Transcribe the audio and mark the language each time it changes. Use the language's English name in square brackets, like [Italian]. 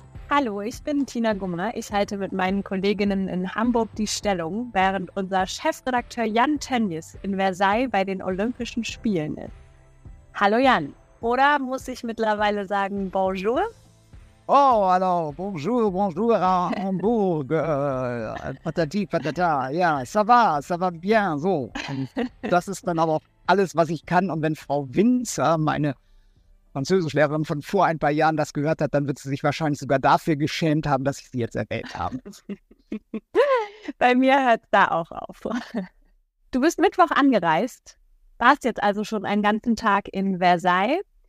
[German] Hallo, ich bin Tina Gummer. Ich halte mit meinen Kolleginnen in Hamburg die Stellung, während unser Chefredakteur Jan Tönnies in Versailles bei den Olympischen Spielen ist. Hallo Jan. Oder muss ich mittlerweile sagen Bonjour? [French] Oh, hallo, bonjour, bonjour à Hamburg, patati patata, ja, ça va bien, so. [German] Und das ist dann aber auch alles, was ich kann. Und wenn Frau Winzer, meine Französischlehrerin von vor ein paar Jahren, das gehört hat, dann wird sie sich wahrscheinlich sogar dafür geschämt haben, dass ich sie jetzt erwähnt habe. Bei mir hört es da auch auf. Du bist Mittwoch angereist, warst jetzt also schon einen ganzen Tag in Versailles.